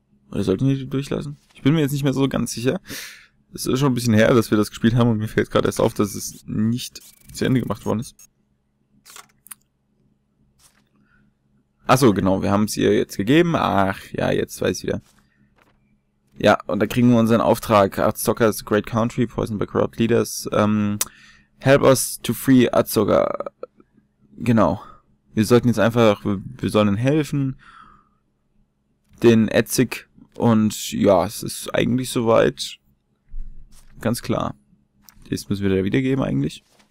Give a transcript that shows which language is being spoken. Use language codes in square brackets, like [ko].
[de] Oder sollten wir die durchlassen? Ich bin mir jetzt nicht mehr so ganz sicher. Es ist schon ein bisschen her, dass wir das gespielt haben und mir fällt gerade erst auf, dass es nicht zu Ende gemacht worden ist. Achso, genau. Wir haben es ihr jetzt gegeben. Ach, ja, jetzt weiß ich wieder. Ja, und da kriegen wir unseren Auftrag. [en] Artzogas Great Country, Poisoned by Corrupt Leaders. Help us to free Artzoga. Genau. [de] Wir sollten jetzt einfach, wir sollen helfen. Den Etzig. Und ja, es ist eigentlich soweit. Ganz klar. Das müssen wir da wiedergeben eigentlich.